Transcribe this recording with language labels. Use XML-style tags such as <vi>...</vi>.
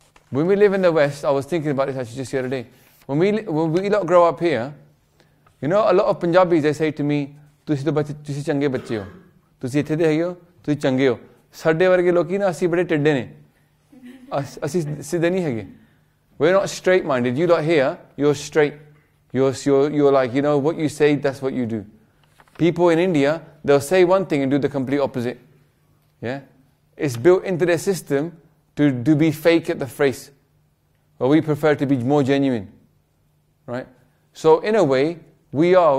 <en>When we live in the West, I was thinking about this actually just the other day. When we lot grow up here, you know, a lot of Punjabis, they say to me,</en> <pa>"Tusi to bache, tusi change bache ho. ਤੁਸੀ ਇਥੇ ਦੇ ਹੈ ਹੋ, ਤੁਸੀ ਚੰਗੇ ਹੋ." ਸਾਡੇ ਵਰਗੇ ਲੋਕੀ ਨਾ, ਅਸੀ ਬੜੇ ਟਿੱਡੇ ਨੇ. ਅਸੀ ਸਿੱਧੇ ਨਹੀ ਹੈ.</pa> <en>We're not straight-minded. You lot here, you're straight. You're like, you know, what you say, that's what you do. People in India, they'll say one thing and do the complete opposite. Yeah? It's built into their system to be fake at the face. But we prefer to be more genuine. Right? So in a way, we are.</en>